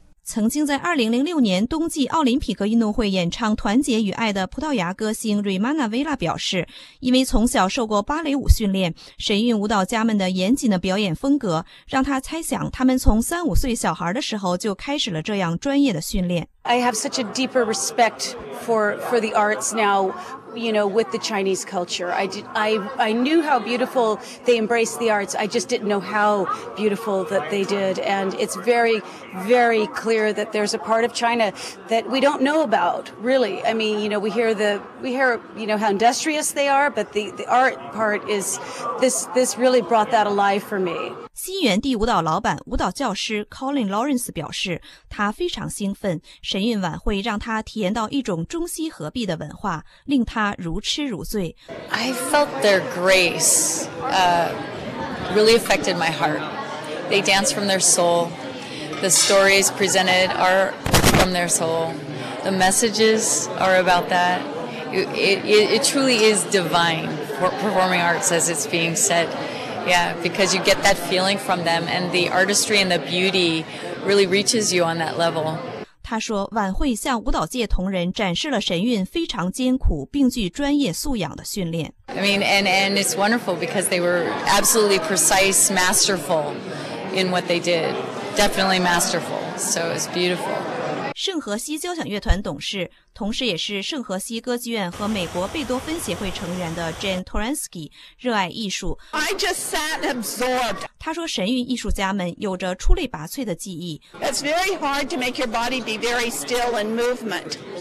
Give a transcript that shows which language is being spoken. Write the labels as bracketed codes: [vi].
[zh] 曾经在2006年冬季奥林匹克运动会演唱《团结与爱》的葡萄牙歌星 Rimana Vela 表示，因为从小受过芭蕾舞训练，神韵舞蹈家们的严谨的表演风格让他猜想他们从三五岁小孩的时候就开始了这样专业的训练。 [en] I have such a deeper respect for the arts nowYou know, with the Chinese culture, I knew how beautiful they embraced the arts. I just didn't know how beautiful that they did. And it's very, very clear that there's a part of China that we don't know about, really. I mean, you know, we hear how industrious they are, but the art part is this really brought that alive for me. [zh] 新源地舞蹈老板、舞蹈教师 Colin Lawrence 表示，他非常兴奋，神韵晚会让他体验到一种中西合璧的文化，令他如痴如醉。 [en] I felt their grace, really affected my heart. They dance from their soul. The stories presented are from their soul. The messages are about that. It truly is divine performing arts as it's being said. Yeah, because you get that feeling from them, and the artistry and the beauty really reaches you on that level. [zh] 他说，晚会向舞蹈界同仁展示了神韵非常艰苦并具专业素养的训练。 [en] I mean, and it's wonderful because they were absolutely precise, masterful in what they did. Definitely masterful. So it's beautiful. [zh] 圣荷西交响乐团董事，同时也是圣荷西歌剧院和美国贝多芬协会成员的 Jane Toransky 热爱艺术。 [en] I just sat absorbed. [zh] 他说，神韵艺术家们有着出类拔萃的技艺。 [en] It's very hard to make your body be very still in movement.